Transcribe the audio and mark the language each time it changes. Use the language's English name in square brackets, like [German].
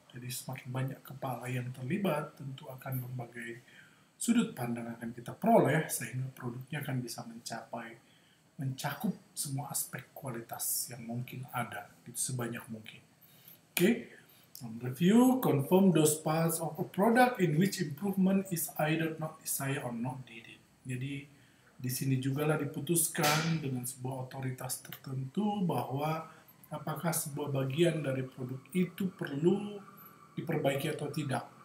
[Indonesian] Jadi semakin banyak kepala yang terlibat tentu akan berbagai sudut pandang akan kita peroleh sehingga produknya akan bisa mencakup semua aspek kualitas yang mungkin ada, gitu, sebanyak mungkin. Oke, okay. [English] Review, confirm those parts of a product in which improvement is either not desired or not needed. [Indonesian] Jadi, di sini juga lah diputuskan dengan sebuah otoritas tertentu bahwa apakah sebuah bagian dari produk itu perlu diperbaiki atau tidak.